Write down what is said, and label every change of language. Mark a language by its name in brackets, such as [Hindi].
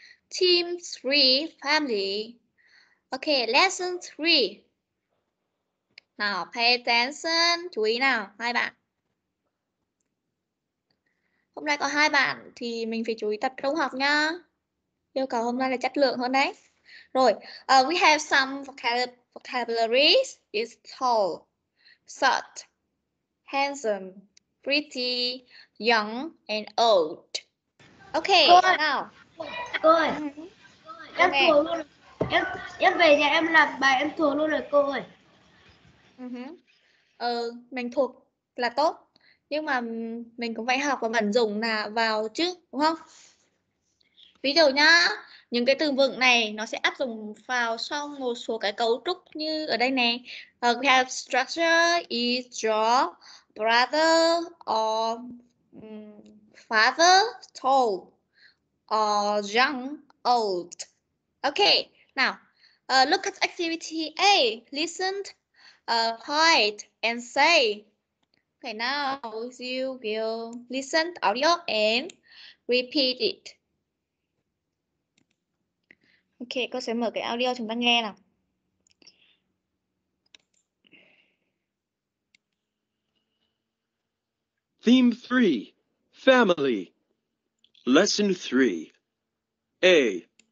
[English] Team 3 family. Ok, lesson 3. Now pay attention, [Vietnamese] chú ý nào, hai bạn. Hôm nay có hai bạn thì mình phải chú ý tập trung học nha. Yêu cầu hôm nay là chất lượng hơn đấy. [English] Rồi, we have some vocabularies. It's tall, short, handsome, pretty, young, and old. [Vietnamese] Ok, nào. Cô ơi, em thua luôn. Em về nhà em làm bài em thua luôn rồi cô ơi. Ừ, mình thuộc là tốt. Nhưng mà mình cũng phải học và vận dụng là vào chứ, đúng không? Ví dụ nhá, những cái từ vựng này nó sẽ áp dụng vào trong một số cái cấu trúc như ở đây này. [English] We have structure, eat, draw, brother, or father, tall, or young, old. Okay, now, look at activity A. Listen, write, and say. Okay, now you will listen audio and repeat it. [Vietnamese] Ok, cô sẽ mở cái audio chúng ta nghe nào. [English] Theme 3, Family. Lesson 3. A.